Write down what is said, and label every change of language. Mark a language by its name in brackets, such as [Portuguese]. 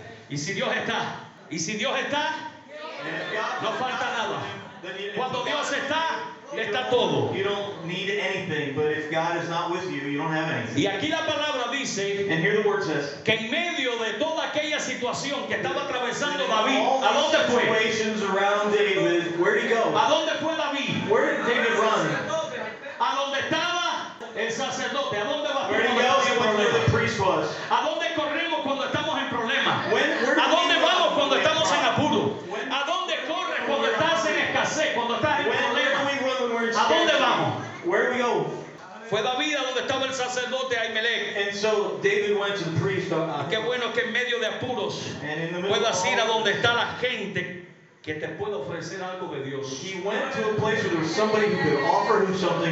[Spanish] Y si Dios está, y si Dios está, no falta nada. Cuando Dios está, le está todo. [English] You don't need anything, but if God is not with you, you don't have anything. [Spanish] Y aquí la palabra dice, [English] and here the word says, [Spanish] que en medio de toda aquella situación que estaba atravesando David, ¿a dónde fue? [English] Situations around David, where did he go? [Spanish] ¿A dónde fue David? [English] Where did David run? [Spanish] ¿A dónde estaba el sacerdote? ¿A dónde va? [English] Where did he go? He went where the priest was. [Spanish] ¿A dónde corremos cuando estamos en problemas? [English] When, [Spanish] ¿a dónde vamos cuando estamos en apuro? ¿A dónde corres cuando estás en escasez, cuando estás en problemas? ¿A dónde vamos? [English] Where we go? [Spanish] Fue David a donde estaba el sacerdote Ahimelech. [English] And so David went to the priest. [Spanish] Qué bueno que en medio de apuros puedas ir a donde está la gente que te puede ofrecer algo de Dios. [English] He went to a place where there was somebody who could offer him something.